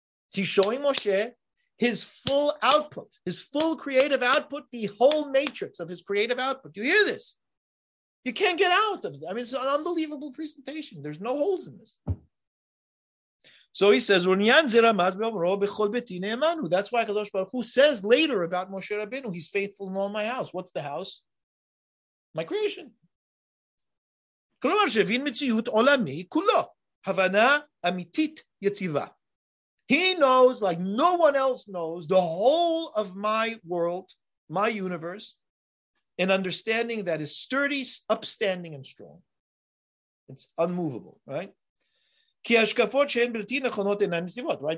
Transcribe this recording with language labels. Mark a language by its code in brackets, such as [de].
[en] He's showing Moshe his full output, his full creative output, the whole matrix of his creative output. You hear this? You can't get out of it. I mean, it's an unbelievable presentation. There's no holes in this. So he says, that's why HaKadosh Baruch Hu says later about Moshe Rabbeinu, he's faithful in all my house. What's the house? My creation. [he] כלומר, שהבין מציאות עולמי כולו, הבנה אמיתית יציבה. [en] He knows, like no one else knows, the whole of my world, my universe, an understanding that is sturdy, upstanding, and strong. It's unmovable, right? [he] Ki hashkafot shein bilti nechonot enan nesivot, [en] right?